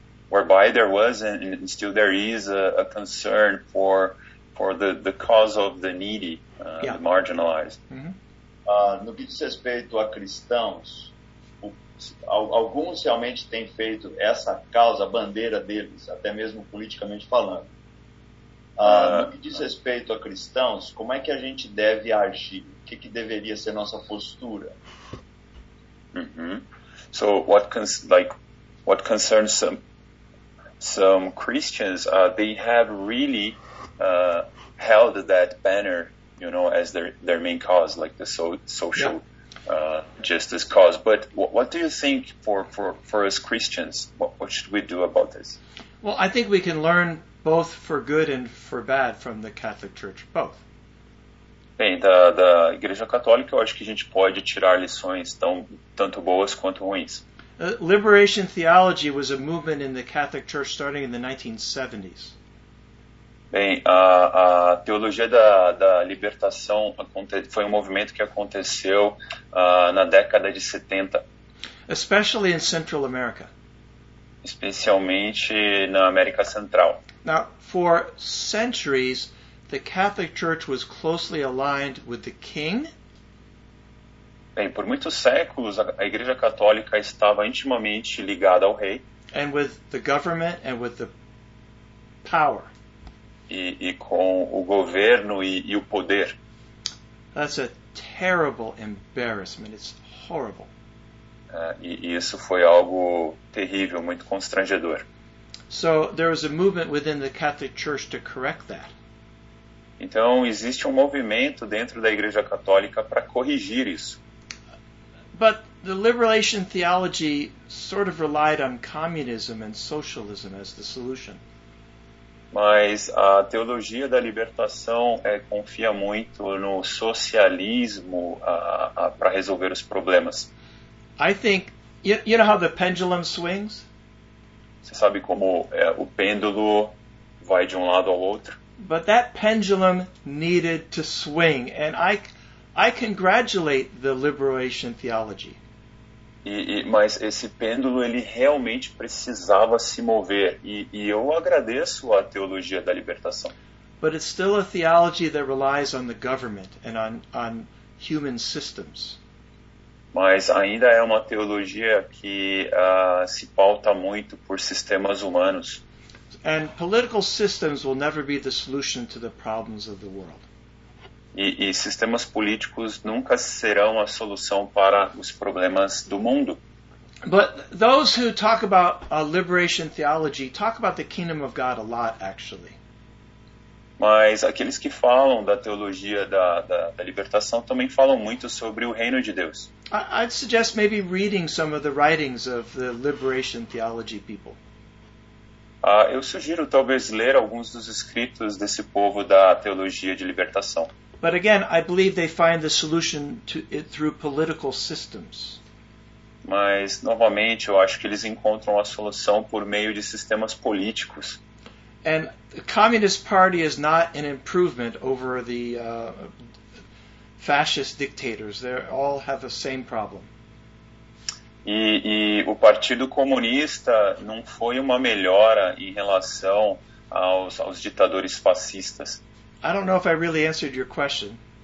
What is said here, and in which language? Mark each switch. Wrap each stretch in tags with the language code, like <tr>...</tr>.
<en>Whereby there was and still there is a concern for the cause of the needy, yeah. The marginalized. Mm-hmm.</en> <pt>No que diz respeito a cristãos, alguns realmente têm feito essa causa a bandeira deles, até mesmo politicamente falando. No que diz respeito a cristãos, como é que a gente deve agir? O que, que deveria ser nossa postura? Mm-hmm.</pt> <en>So what concerns some Christians, they have really held that banner, you know, as their main cause, like the social. Yeah. Just this cause, but what do you think for us Christians, what should we do about this? Well, I think we can learn both for good and for bad from the Catholic Church, both.</en> <pt>Bem, da Igreja Católica, eu acho que a gente pode tirar lições tanto boas quanto ruins.</pt> <en>Liberation theology was a movement in the Catholic Church starting in the 1970s.</en> <pt>Bem, a teologia da libertação foi um movimento que aconteceu na década de 70.</pt> <en>Especially in Central America.</en> <pt>Especialmente na América Central.</pt> <en>Now, for centuries, the Catholic Church was closely aligned with the king.</en> <pt>Bem, por muitos séculos, a Igreja Católica estava intimamente ligada ao rei.</pt> <en>And with the government and with the power.</en> <pt>E com o governo e o poder.</pt> <en>That's a terrible embarrassment. It's horrible.</en> <pt>E isso foi algo terrível, muito constrangedor.</pt> <en>So there was a movement within the Catholic Church to correct that.</en> <pt>Então existe um movimento dentro da Igreja Católica para corrigir isso.</pt> <en>But the liberation theology sort of relied on communism and socialism as the solution.</en> <pt>Mas a teologia da libertação confia muito no socialismo para resolver os problemas.</pt> <en>I think, you know how the pendulum swings?</en> <pt>Você sabe como o pêndulo vai de lado ao outro?</pt> <en>But that pendulum needed to swing, and I congratulate the liberation theology.</en> <pt>Mas esse pêndulo, ele realmente precisava se mover, e eu agradeço a teologia da libertação.</pt> <en>But it's still a theology that relies on the government and on human systems.</en> <pt>Mas ainda é uma teologia que se pauta muito por sistemas humanos.</pt> <en>And political systems will never be the solution to the problems of the world.</en> <pt>E sistemas políticos nunca serão a solução para os problemas do mundo.</pt> <en>But those who talk about liberation theology talk about the kingdom of God a lot, actually.</en> <pt>Mas aqueles que falam da teologia da libertação também falam muito sobre o reino de Deus.</pt> <en>I'd suggest maybe reading some of the writings of the liberation theology people.</en> <pt>Eu sugiro talvez ler alguns dos escritos desse povo da teologia de libertação.</pt> <en>But again, I believe they find the solution to it through political systems.</en> <pt>Mas novamente, eu acho que eles encontram a solução por meio de sistemas políticos.</pt> <en>And the Communist Party is not an improvement over the fascist dictators. They all have the same problem.</en> <pt>E o Partido Comunista não foi uma melhora em relação aos ditadores fascistas.</pt> <en>I don't know if I really answered your question.</en>